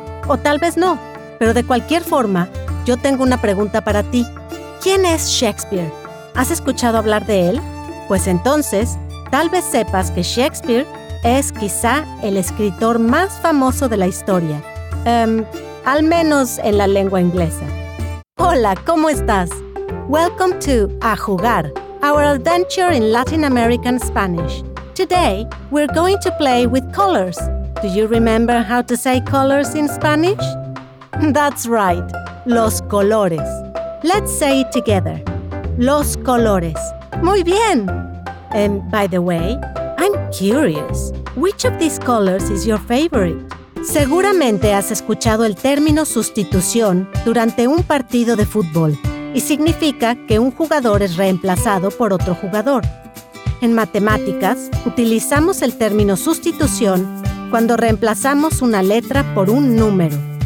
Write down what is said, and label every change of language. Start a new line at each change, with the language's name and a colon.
Spanish: O tal vez no, pero de cualquier forma, yo tengo una pregunta para ti. ¿Quién es Shakespeare? ¿Has escuchado hablar de él? Pues entonces, tal vez sepas que Shakespeare es quizá el escritor más famoso de la historia. Al menos en la lengua inglesa. Hola, ¿cómo estás?
English: Welcome to A Jugar, our adventure in Latin American Spanish. Today, we're going to play with colors. Do you remember how to say colors in Spanish? That's right,
Spanish: los colores.
English: Let's say it together.
Spanish: Los colores. Muy bien!
English: And by the way, I'm curious, which of these colors is your favorite?
Spanish: Seguramente has escuchado el término sustitución durante un partido de fútbol y significa que un jugador es reemplazado por otro jugador. En matemáticas, utilizamos el término sustitución cuando reemplazamos una letra por un número.